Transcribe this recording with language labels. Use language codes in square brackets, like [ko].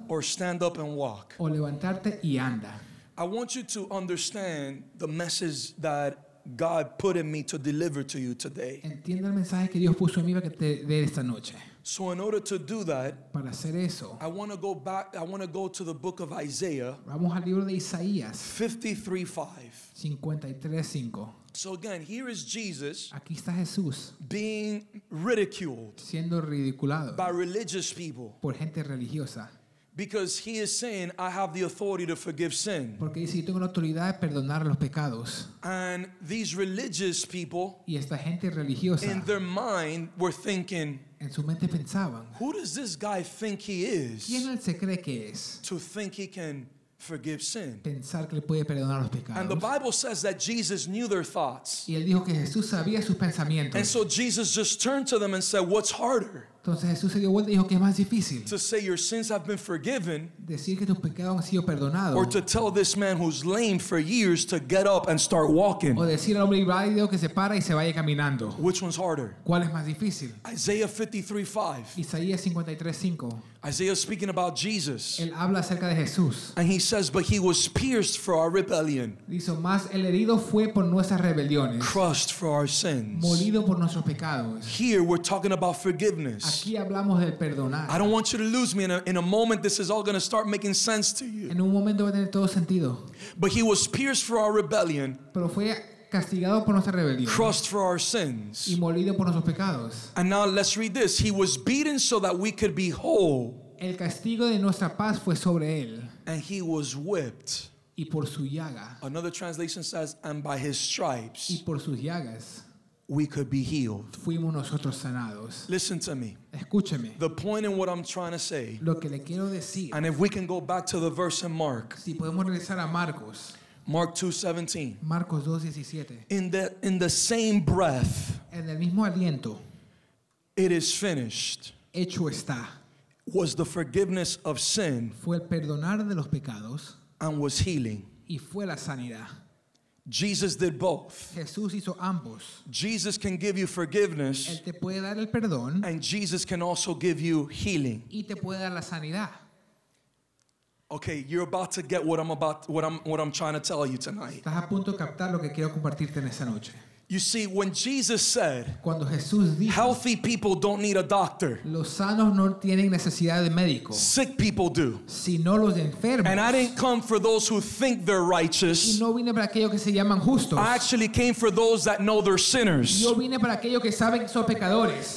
[en] Or stand up and walk. [es] O levantarte y anda. [en] I want you to understand the message that God put in me to deliver to you today. [es] Entiende el mensaje que Dios puso en mí para que te dé esta noche. [en] So in order to do that, [es] para hacer eso, [en] I want to go to the book of Isaiah. [es] Vamos al libro de Isaías. [en] 53:5. So again, here is Jesus. [es] Aquí está Jesús. [en] Being ridiculed. [es] Siendo ridiculado. [en] By religious people. [es] Por gente religiosa. [en] Because he is saying, I have the authority to forgive sin. [es] Porque dice, yo tengo la autoridad de perdonar los pecados. [en] And these religious people, [es] y esta gente religiosa, [en] in their mind were thinking, [es] en su mente pensaban, [en] who does this guy think he is? [es] ¿Quién él se cree que es? [en] To think he can forgive sin. [es] Pensar que le puede perdonar los pecados. [en] And the Bible says that Jesus knew their thoughts. [es] Y él dijo que Jesús sabía sus pensamientos. [en] And so Jesus just turned to them and said, what's harder? [es] Entonces Jesús se dio vuelta y dijo que es más difícil [en] to say your sins have been forgiven, [es] decir que tus pecados han sido perdonados, [en] or to tell this man who's lame for years to get up and start walking, [es] o decir al hombre inválido que se para y se vaya caminando. [en] Which one's harder? [es] ¿Cuál es más difícil? [en] Isaiah 53:5. Isaiah speaking about Jesus. [es] Él habla acerca de Jesús. [en] And he says, but he was pierced for our rebellion. [es] Dice, mas el herido fue por nuestras rebeliones. [en] Crushed for our sins. [es] Molido por nuestros pecados. [en] Here we're talking about forgiveness. [es] Aquí hablamos del perdonar. [en] I don't want you to lose me. In a moment, this is all going to start making sense to you. [es] En un momento va a tener todo sentido. [en] But he was pierced for our rebellion. [es] Pero fue castigado por nuestra rebelión. [en] Crushed for our sins. [es] Y molido por nuestros pecados. [en] And now let's read this. He was beaten so that we could be whole. [es] El castigo de nuestra paz fue sobre él. [en] And he was whipped. [es] Y por su llaga. [en] Another translation says, and by his stripes. [es] Y por sus llagas. [en] We could be healed. [es] Fuimos nosotros sanados. [en] Listen to me. [es] Escúcheme. [en] The point in what I'm trying to say. [es] Lo que le quiero decir. [en] And if we can go back to the verse in Mark. [es] Si podemos regresar a Marcos. [en] Mark 2:17. [es] Marcos 2:17. [en] In the same breath. [es] En el mismo aliento. [en] It is finished. [es] Hecho está. [en] Was the forgiveness of sin. [es] Fue el perdonar de los pecados. [en] And was healing. [es] Y fue la sanidad. [en] Jesus did both. [es] Jesús hizo ambos. [en] Jesus can give you forgiveness. [es] Él te puede dar el perdón. [en] And Jesus can also give you healing. [es] Y te puede dar la sanidad. [en] Okay, you're about to get what I'm trying to tell you tonight. [es] Estás a punto de captar lo que quiero compartirte en esa noche. [en] You see, when Jesus said, [es] cuando Jesús dijo, [en] healthy people don't need a doctor. [es] Los sanos no tienen necesidad de médico. [en] Sick people do. [es] Sino los enfermos. [en] And I didn't come for those who think they're righteous. [es] Y no vine para aquellos que se llaman justos. [en] I actually came for those that know they're sinners. [es] Yo vine para aquellos que saben que son pecadores.